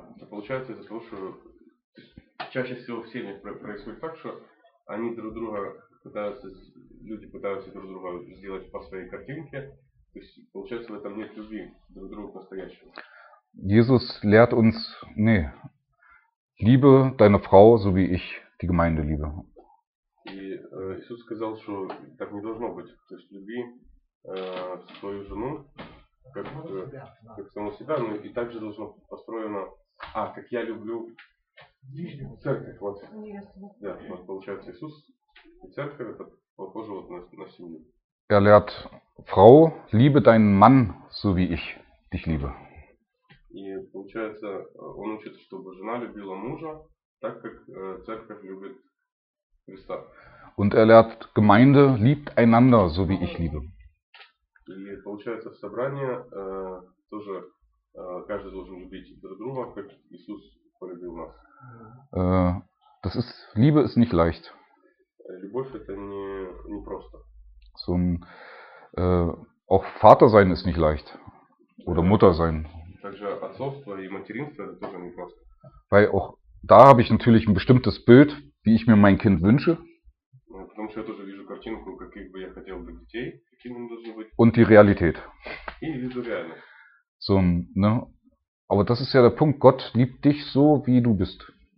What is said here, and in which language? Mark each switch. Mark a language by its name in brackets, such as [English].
[Russian] Получается, это то, что чаще всего в семьях происходит так, что они друг друга пытаются, люди пытаются друг друга сделать по своей картинке, то есть получается в этом нет любви друг другу настоящего. [German] Jesus lehrt uns, nee, liebe deine Frau, so wie ich die Gemeinde liebe. [Russian] И Иисус сказал, что так не должно быть, то есть люби свою жену. Как само себя, но и также должно построено, как я люблю церковь, вот. Да, вот получается Иисус и церковь, это похоже вот на семью. [German] Er lehrt, Frau, liebe deinen Mann, so wie ich dich liebe. [Russian] И получается, он учит, чтобы жена любила мужа, так как церковь любит Христа. [German] Und er lehrt, Gemeinde liebt einander, so wie ich liebe. [Russian] И получается в собрании тоже каждый должен любить друг друга, как Иисус полюбил нас. [German] Das ist, Liebe ist nicht leicht. [Russian] Любовь это не просто. [German] So ein, auch Vater sein ist nicht leicht. Oder Mutter sein. [Russian] Также отцовство и материнство это тоже не просто. [German] Weil auch da habe ich natürlich ein bestimmtes Bild, wie ich mir mein Kind wünsche. [Russian] Потому что я тоже вижу картинку, каких бы я хотел бы детей. [German] Und die Realität. So, ne? Aber das ist ja der Punkt, Gott liebt dich so, wie du bist.